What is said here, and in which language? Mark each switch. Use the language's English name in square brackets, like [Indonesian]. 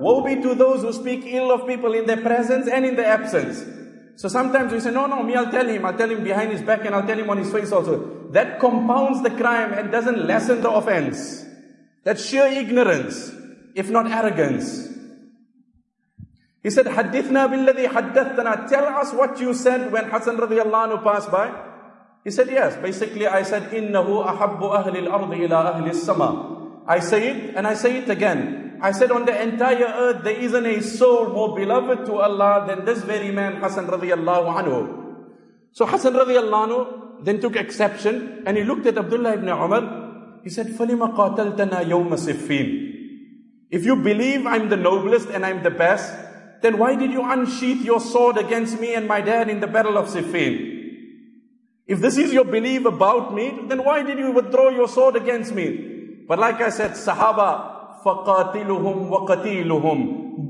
[English] Woe be to those who speak ill of people in their presence and in their absence. So sometimes we say, no, me, I'll tell him behind his back and I'll tell him on his face also. That compounds the crime and doesn't lessen the offense. That's sheer ignorance, if not arrogance. He said, [Arabic] حَدِّثْنَا بِالَّذِي حَدَّثْتَنَا. [English] Tell us what you said when Hassan radiallahu anhu passed by. He said, yes, basically I said, [Arabic] إِنَّهُ أَحَبُّ أَهْلِ الْأَرْضِ إِلَىٰ أَهْلِ السَّمَىٰ. [English] I say it and I say it again. I said, on the entire earth, there isn't a soul more beloved to Allah than this very man, Hassan radiallahu anhu. So Hassan radiallahu anhu then took exception and he looked at Abdullah ibn Umar. He said, [Arabic] فَلِمَ قَاتَلْتَنَا يَوْمَ صِفِّينَ. [English] If you believe I'm the noblest and I'm the best, then why did you unsheath your sword against me and my dad in the battle of Siffin? If this is your belief about me, then why did you withdraw your sword against me? But like I said, Sahaba, [Arabic] فَقَاتِلُهُمْ وَقَتِيلُهُمْ.